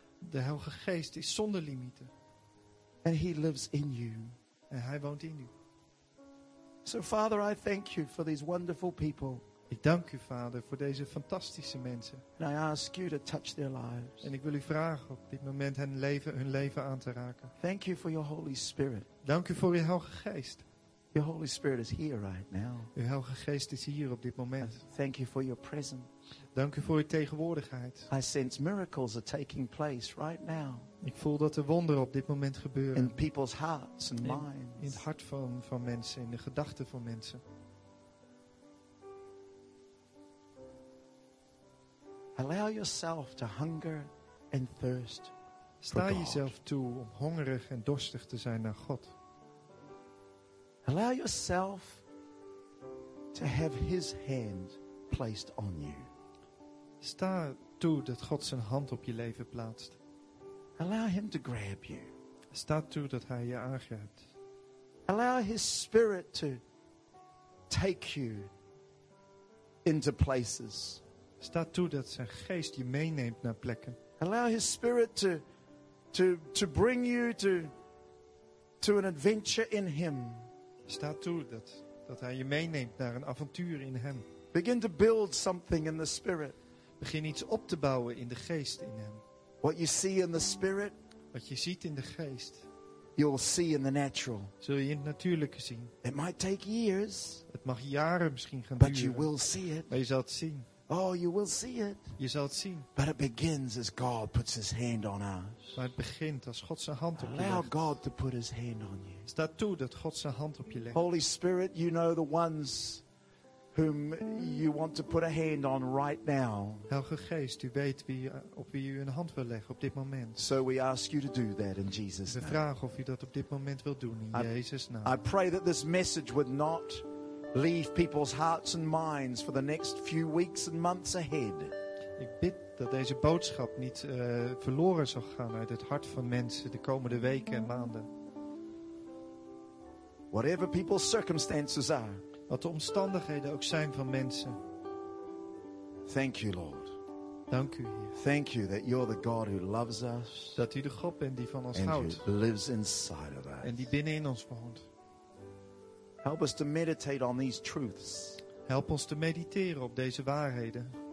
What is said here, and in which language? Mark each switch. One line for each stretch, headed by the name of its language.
Dutch: De Heilige Geest is zonder limieten.
English: And he lives in you.
Dutch: En hij woont in u.
English: So Father, I thank you for these wonderful people.
Dutch: Ik dank u, Vader, voor deze fantastische mensen.
English: And I ask you to touch their lives.
Dutch: En ik wil u vragen op dit moment hun leven aan te raken.
English: Thank you for your Holy Spirit.
Dutch: Dank u voor uw Heilige Geest.
English: Your Holy Spirit is here right now.
Dutch: Uw Heilige Geest is hier op dit moment.
English: Thank you for your presence.
Dutch: Dank u voor uw tegenwoordigheid.
English: I sense miracles are taking place right now.
Dutch: Ik voel dat er wonderen op dit moment gebeuren.
English: In people's hearts and minds.
Dutch: In het hart van mensen, in de gedachten van mensen.
English: Allow yourself to hunger and thirst
Dutch: Sta jezelf toe om hongerig en dorstig te zijn naar God.
English: Allow yourself to have his hand placed on you.
Dutch: Sta toe dat God zijn hand op je leven plaatst.
English: Allow him to grab you.
Dutch: Sta toe dat hij je aangrijpt.
English: Allow his spirit to take you into places.
Dutch: Sta toe dat zijn geest je meeneemt naar plekken.
English: Allow his spirit to bring you to an adventure in him.
Dutch: Sta toe dat hij je meeneemt naar een avontuur in hem.
English: Begin to build something in the spirit.
Dutch: Begin iets op te bouwen in de geest in hem.
English: What you see in the spirit,
Dutch: wat je ziet in de geest,
English: you'll see in the natural.
Dutch: Zul je in het natuurlijke zien.
English: It might take years.
Dutch: Het mag jaren misschien gaan
English: but
Dutch: duren.
English: You will see it.
Dutch: Maar je zal het zien.
English: Oh, you will see it.
Dutch: Je zal het zien.
English: But it begins as God puts his hand on us.
Dutch: Maar het begint als God zijn hand op je legt.
English: Allow God to put his hand on you.
Dutch: Sta toe dat God zijn hand op je legt.
English: Holy Spirit, you know the ones whom you want to put a hand on right now.
Dutch: Heilige Geest, u weet op wie u een hand wil leggen op dit moment.
English: So we ask you to do that in Jesus' name.
Dutch: We vragen of u dat op dit moment wil doen in Jezus' naam.
English: I pray that this message would not leave people's hearts and minds for the next few weeks and months ahead.
Dutch: Ik bid dat deze boodschap niet verloren zal gaan uit het hart van mensen de komende weken en maanden.
English: Whatever people's circumstances are.
Dutch: Wat de omstandigheden ook zijn van mensen.
English: Thank you, Lord.
Dutch: Dank u, Heer.
English: Thank you that you're the God who loves us.
Dutch: Dat u de God bent die van ons
English: and
Dutch: houdt.
English: Who lives inside of us.
Dutch: En die binnenin ons woont.
English: Help us to meditate on these truths.
Dutch: Help ons te mediteren op deze waarheden.